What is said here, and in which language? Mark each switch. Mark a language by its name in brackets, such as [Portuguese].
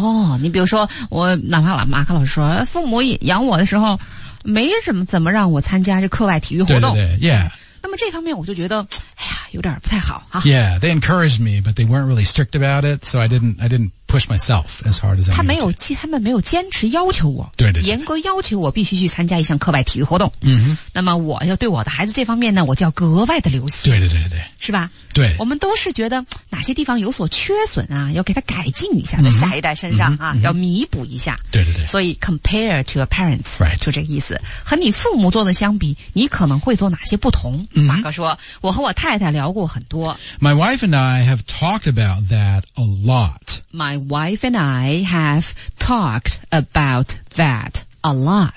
[Chinese] Oh, 你比如说我哪怕马克老师说父母养我的时候没什么怎么让我参加这课外体育活动。对对对 yeah. 那么这方面我就觉得哎呀有点不太好啊。 [English] Yeah, they encouraged me, but they weren't really strict about it, so I didn't push myself as hard as I needed to. [Chinese] 他们没有坚持要求我。对 对, 对严格要求我必须去参加一项课外体育活动。嗯、mm-hmm. 那么我要对我的孩子这方面呢我就要格外的留心。对对对对。是吧对。我们都是觉得哪些地方有所缺损啊要给他改进一下在、mm-hmm. 下一代身上啊、mm-hmm. 要弥补一下。对对对。所以 [English] compare to your parents. Right. [Chinese] 就这个意思。和你父母做的相比你可能会做哪些不同、 mm-hmm. 马哥说我和我太太聊过很多。 [English] My wife and I have talked about that a lot. My wife and I have talked about that a lot.、